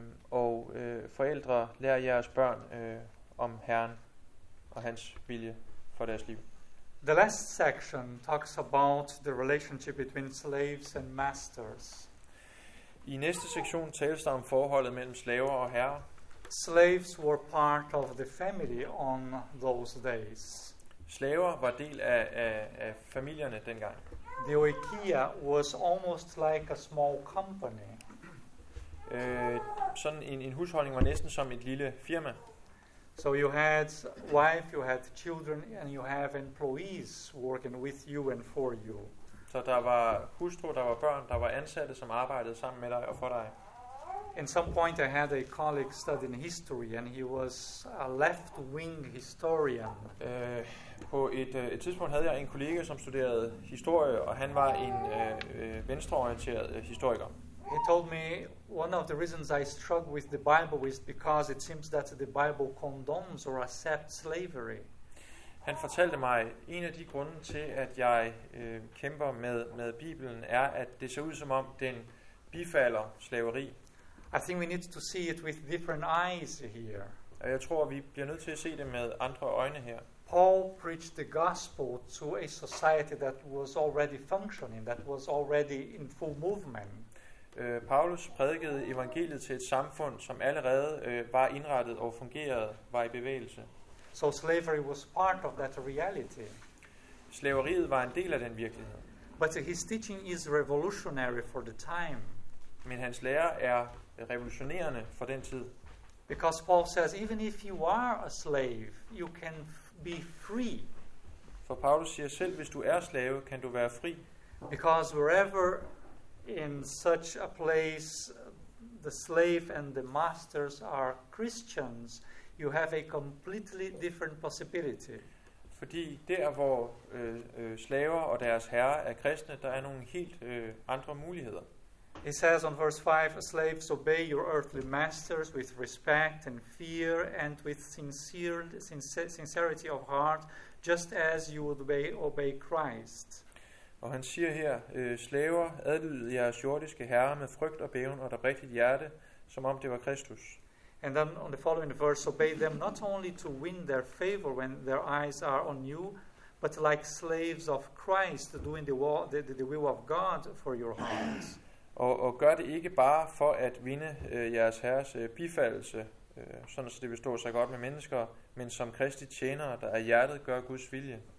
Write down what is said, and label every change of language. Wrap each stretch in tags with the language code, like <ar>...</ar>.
<da>Og forældre, lærer jeres børn om Herren og hans vilje for deres liv.</da> <en>The last section talks about the relationship between slaves and masters.</en> <da>I næste sektion tales der om forholdet mellem slaver og herrer.</da> <en>Slaves were part of the family on those days.</en> <da>Slaver var del af familierne dengang.</da> <en>The oikia was almost like a small company.</en> <da>Sådan en husholdning var næsten som et lille firma.</da> <en>So you had wife, you had children, and you have employees working with you and for you.</en> <da>Så der var hustru, der var børn, der var ansatte, som arbejdede sammen med dig og for dig.</da> <en>In some point I had a colleague studying history, and he was a left-wing historian.</en> <da>På et tidspunkt havde jeg en kollega, som studerede historie, og han var en venstreorienteret historiker.</da> <en>He told me one of the reasons I struggle with the Bible is because it seems that the Bible condones or accepts slavery.</en> <da>Han fortalte mig, en af de grunde til, at jeg kæmper med Bibelen, er, at det ser ud som om, den bifalder slaveri.</da> <en>I think we need to see it with different eyes here.</en> <da>Og jeg tror, vi bliver nødt til at se det med andre øjne her.</da> <en>Paul preached the gospel to a society that was already functioning, that was already in full movement.</en> <da>Paulus prædikede evangeliet til et samfund, som allerede var indrettet og fungerede, var i bevægelse.</da> <en>So slavery was part of that reality.</en> <da>Slaveriet var en del af den virkelighed.</da> <en>But his teaching is revolutionary for the time.</en> <da>Men hans lære er revolutionerende for den tid.</da> <en>Because Paul says, even if you are a slave, you can be free.</en> <da>For Paulus siger, selv hvis du er slave, kan du være fri.</da> <en>Because wherever in such a place the slave and the masters are Christians, you have a completely different possibility.</en> <da>Fordi der hvor slaver og deres herrer er kristne, der er nogle helt andre muligheder.</da> <en>He says on verse 5, slaves, obey your earthly masters with respect and fear and with sincerity of heart, just as you would obey Christ.</en> <da>Og han siger her, slaver, adlyd jeres jordiske herrer med frygt og bæven og der rigtigt hjerte, som om det var Kristus.</da> <en>And then on the following verse, obey them not only to win their favor when their eyes are on you, but like slaves of Christ, doing the will of God for your hearts.</en> <da>Og gør det ikke bare for at vinde jeres herres bifaldelse, sådan så det vil stå sig godt med mennesker, men som Kristi tjenere, der af hjertet gør Guds vilje.</da>